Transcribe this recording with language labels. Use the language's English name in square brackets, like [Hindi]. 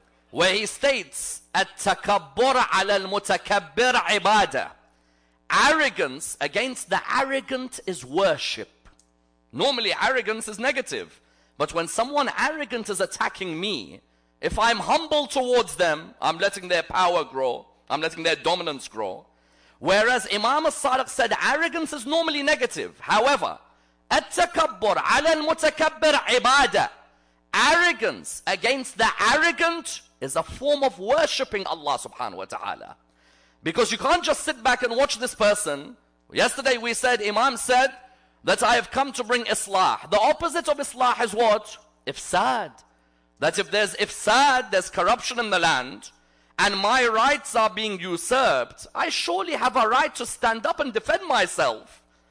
[English] where he states, [Arabic] التكبر على المتكبر عبادة. [English] Arrogance against the arrogant is worship. Normally, arrogance is negative. But when someone arrogant is attacking me, if I'm humble towards them, I'm letting their power grow. I'm letting their dominance grow. Whereas Imam al-Sadiq said, arrogance is normally negative. However, [Arabic] التكبر على المتكبر عبادة. [English] Arrogance against the arrogant is a form of worshipping Allah subhanahu wa ta'ala. Because you can't just sit back and watch this person. Yesterday we said, Imam said that I have come to bring Islah. The opposite of Islah is what? Ifsad. That if there's ifsad, there's corruption in the land, and my rights are being usurped, I surely have a right to stand up and defend myself.